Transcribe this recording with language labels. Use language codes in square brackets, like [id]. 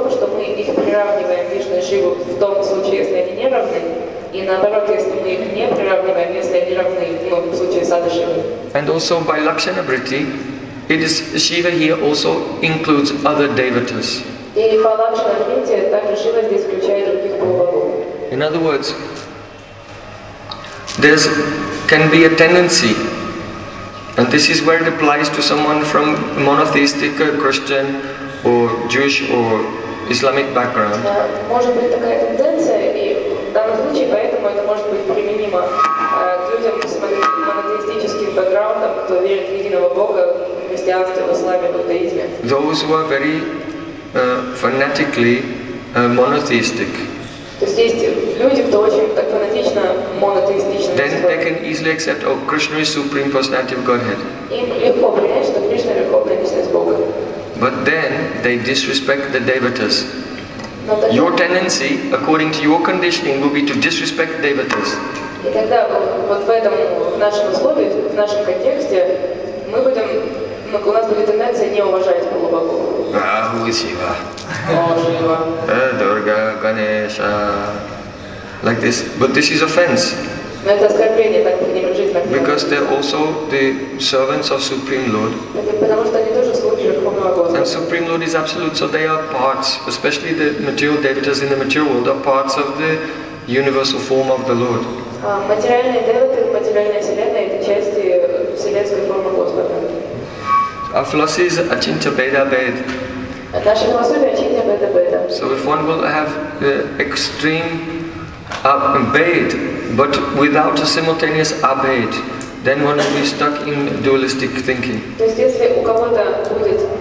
[ru] В том случае, если они не равны, и наоборот, если мы их не приравниваем, если они равны, ну, в случае садашивы. [en] And also by Lakshanabriti, it is Shiva here also includes other devatas. [ru] И по Лакшанабрити также Шива здесь включает других полубогов. [en] In other words, there can be a tendency. And this is where it applies to someone from monotheistic Christian or Jewish or Islamic background. [ru] Может быть такая тенденция, и в данном случае поэтому это может быть применимо к людям с монотеистическим бэкграундом, кто верит в единого Бога, в христианстве, в исламе, в иудаизме. [en] Those who are very fanatically monotheistic. [ru] То есть есть люди, кто очень так фанатично монотеистичны. [en] Then they can easily accept, oh, Krishna is Supreme Personality of Godhead. [ru] Им легко принять, что Кришна верховная личность Бога. [en] But then they disrespect the devatas. Your tendency, according to your conditioning, will be to disrespect devatas. [ru] И тогда вот в этом нашем условии, в нашем контексте, мы будем, у нас будет тенденция не уважать полубогов. [en] Ah, who is Shiva? Oh, Shiva. Durga, Ganesha. Like this. But this is offense. [ru] Но это оскорбление, так не будем жить так. [en] Because they're also the servants of Supreme Lord. And Supreme Lord is absolute, so they are parts, especially the material devatas in the material world, are parts of the universal form of the Lord. [ru] Материальные девы, материальная вселенная, это части вселенской формы Господа. [en] Our philosophy is Achintya Bheda Bhed. [ru] Наша философия Achintya Bheda Bhed. [en] So if one will have extreme Bhed, but without a simultaneous Abhed, then one will be stuck in dualistic thinking. [ru] То есть если у кого-то будет